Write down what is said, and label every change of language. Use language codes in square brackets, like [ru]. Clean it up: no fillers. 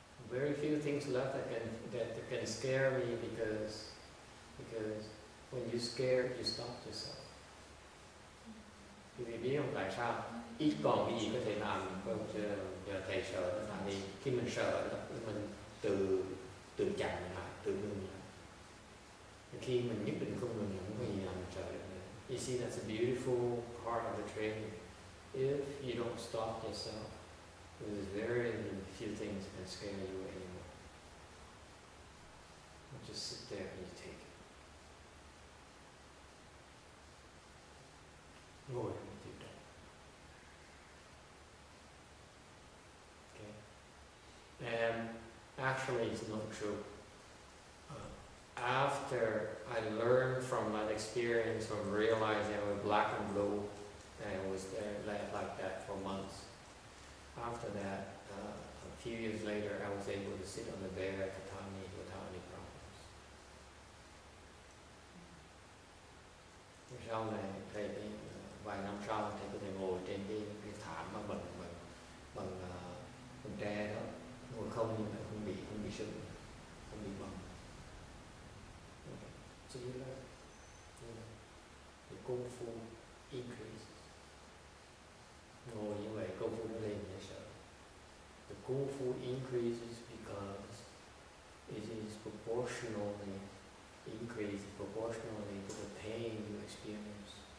[en] Very few things left that can scare me because when you're scared, you stop yourself. [vi] Thì biết không tại sao ít còn cái gì có thể làm không chứ giờ thầy sợ nó làm đi khi mình sợ mình tự chặn lại tự ngừng lại khi mình nhất định không ngừng không có gì làm mình sợ được. [en] You see, that's a beautiful part of the training. If you don't stop yourself, there's very few things that scare you anymore. You just sit there and you take it. [vi] Ngồi và chịu đựng. [en] Okay. And actually, it's not true. After I learned from my experience of realizing I was black and blue and I was there like that for months. After that, a few years later, I was able to sit on the bear at the tummy without any problems. [vi] Sau này, thầy đi vài năm sau, thầy có thể ngồi trên cái thảm mà bằng tre đó, ngồi không nhưng mà không bị sưng, không bị bầm. [en] So you learn, the kung fu increases. [vi] Ngồi như vậy, kung fu nó lên nhanh chóng. [en] The kung fu increases because it is proportionally to the pain you experience.